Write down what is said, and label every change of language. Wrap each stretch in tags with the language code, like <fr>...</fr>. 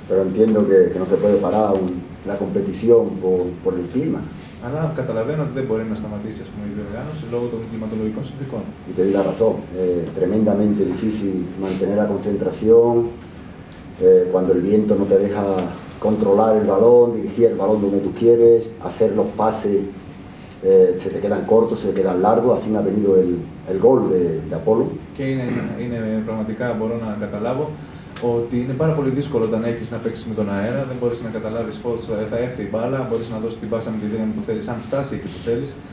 <es>Pero entiendo que no se puede parar la competición por el clima.</es> <el>Αλλά καταλαβαίνω ότι δεν μπορεί να σταματήσει, ας πούμε, η διοργάνωση λόγω των κλιματολογικών συνθήκων.</el> <es>Y te di la razón. Tremendamente difícil mantener la concentración cuando el viento no te deja controlar el balón, dirigir el balón donde tú quieres, hacer los pases. Se te quedan cortos, se te quedan largos, así ha venido el gol de Apolo.</es> <el>Και είναι πραγματικά, μπορώ να καταλάβω, ότι είναι πάρα πολύ δύσκολο όταν έχεις να παίξεις με τον αέρα, δεν μπορείς να καταλάβεις πώς θα έρθει η μπάλα, μπορείς να δώσεις την πάσα με τη δύναμη που θέλεις, αν φτάσει εκεί που θέλεις.</el>